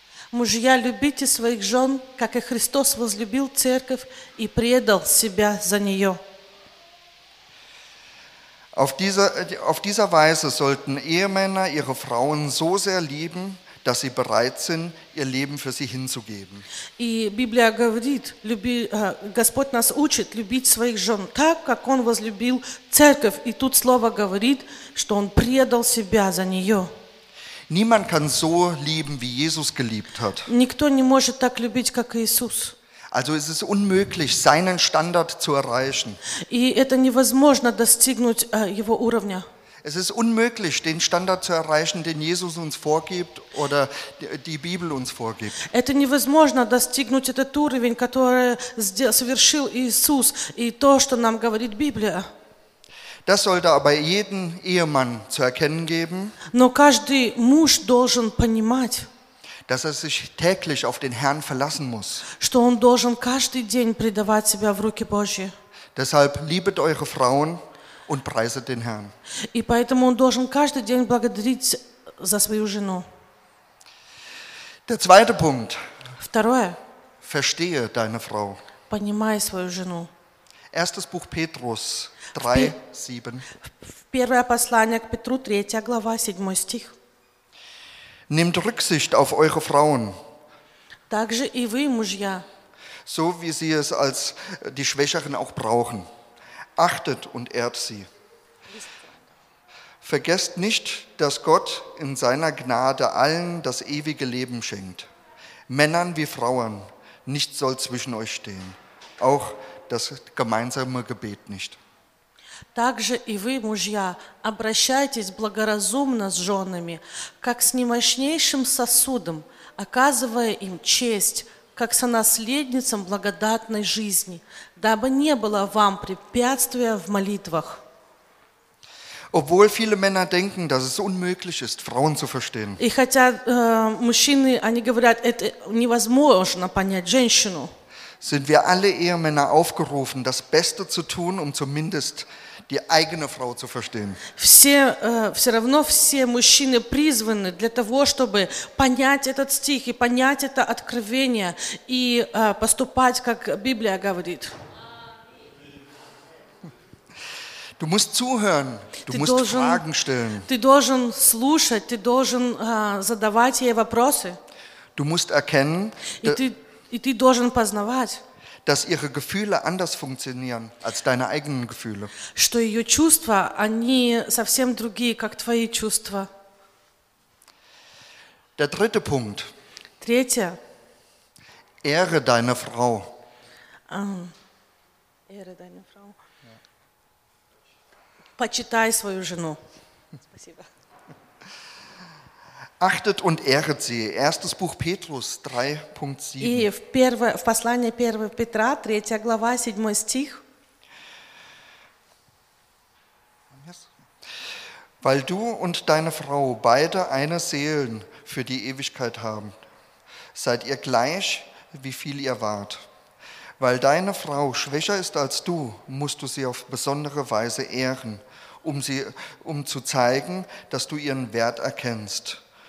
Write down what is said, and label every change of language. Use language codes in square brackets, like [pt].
[ru] Мужья, любите своих жен, как и Христос возлюбил церковь и предал себя за нее. [de] Auf dieser Weise sollten Ehemänner ihre Frauen so sehr lieben, dass sie bereit sind, ihr Leben für sie hinzugeben. [ru] И Библия говорит, Господь нас учит любить своих жен так, как Он возлюбил церковь. И тут слово говорит, что Он предал себя за нее. [de] Niemand kann so lieben, wie Jesus geliebt hat. [ru] Никто не может так любить, как Иисус. [de] Also ist es unmöglich, seinen Standard zu erreichen. [ru] И это невозможно достигнуть его уровня. [de] Es ist unmöglich, den Standard zu erreichen, den Jesus uns vorgibt oder die Bibel uns vorgibt. [ru] Это невозможно достигнуть этот уровень, который совершил Иисус, и то, что нам говорит Библия. [de] Das sollte aber jeden Ehemann zu erkennen geben. [ru] Но каждый муж должен понимать, [de] dass er sich täglich auf den Herrn verlassen muss. [ru] Что он должен каждый день предавать себя в руки Божьи. [de] Deshalb liebet eure Frauen und preiset den Herrn. [ru] И поэтому он должен каждый день благодарить за свою жену. [de] Der zweite Punkt. [ru] Второе. [de] Verstehe deine Frau. [ru] Понимай свою жену. [de] Erstes Buch Petrus 3:7. [ru] Первое послание к Петру, 3 глава, 7 стих. [de] Nehmt Rücksicht auf eure Frauen. [ru] Также и вы, мужья. [de] So wie sie es als die Schwächeren auch brauchen. Achtet und ehrt sie. Vergesst nicht, dass Gott in seiner Gnade allen das ewige Leben schenkt. Männern wie Frauen, nichts soll zwischen euch stehen. Auch das gemeinsame Gebet nicht. [ru] Также и вы, мужья, обращайтесь благоразумно с женами, как с немощнейшим сосудом, оказывая им честь, как сонаследницам благодатной жизни, дабы не было вам препятствия в молитвах. [de] Obwohl viele Männer denken, dass es unmöglich ist, Frauen zu verstehen. [ru] И хотя мужчины, они говорят, это невозможно понять женщину. [de] Sind wir alle Ehemänner aufgerufen, das Beste zu tun, um zumindest die eigene Frau zu verstehen. [ru] Все равно все мужчины призваны для того, чтобы понять этот стих и понять это откровение и поступать, как Библия говорит. [de] Du musst zuhören, du musst Fragen stellen. [ru] Ты должен слушать, ты должен задавать ей вопросы. [de] Du musst erkennen, [ru] и ты должен познавать, [de] dass ihre Gefühle anders funktionieren als deine eigenen Gefühle. [ru] Что ее чувства, они совсем другие, как твои чувства. [de] Der dritte Punkt. [ru] Третье. [de] Ehre deine Frau. [ru] Ehre deine Frau. Ja. [de] Почитай свою жену. Спасибо. Achtet und ehret sie. Erstes Buch Petrus 3:7. [ru] И в послании 1 Петра, 3 глава, 7 стих. [de] Weil du und deine Frau beide eine Seelen für die Ewigkeit haben, seid ihr gleich, wie viel ihr wart. Weil deine Frau schwächer ist als du, musst du sie auf besondere Weise ehren, um zu zeigen, dass du ihren Wert erkennst.